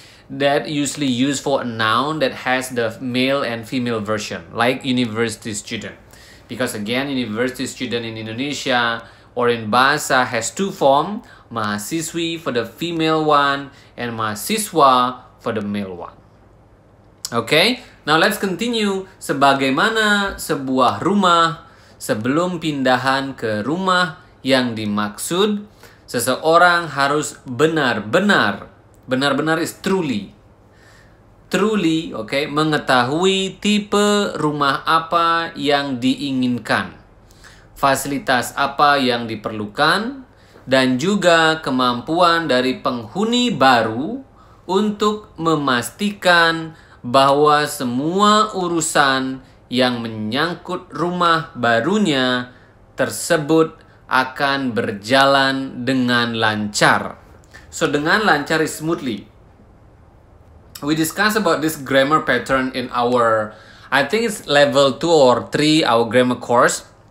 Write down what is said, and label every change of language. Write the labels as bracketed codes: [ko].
[en] That usually used for a noun that has the male and female version, like university student. Because again, university student in Indonesia or in Bahasa has two forms, mahasiswi for the female one and mahasiswa for the male one. Okay, now let's continue. [id] Sebagaimana sebuah rumah sebelum pindahan ke rumah yang dimaksud, seseorang harus benar-benar, benar-benar [en] is truly, truly, okay, [id] mengetahui tipe rumah apa yang diinginkan, fasilitas apa yang diperlukan, dan juga kemampuan dari penghuni baru untuk memastikan bahwa semua urusan yang menyangkut rumah barunya tersebut akan berjalan dengan lancar. [en] So, [id] dengan lancar [en] is smoothly. We discuss about this grammar pattern in our, I think it's level 2 or 3, our grammar course.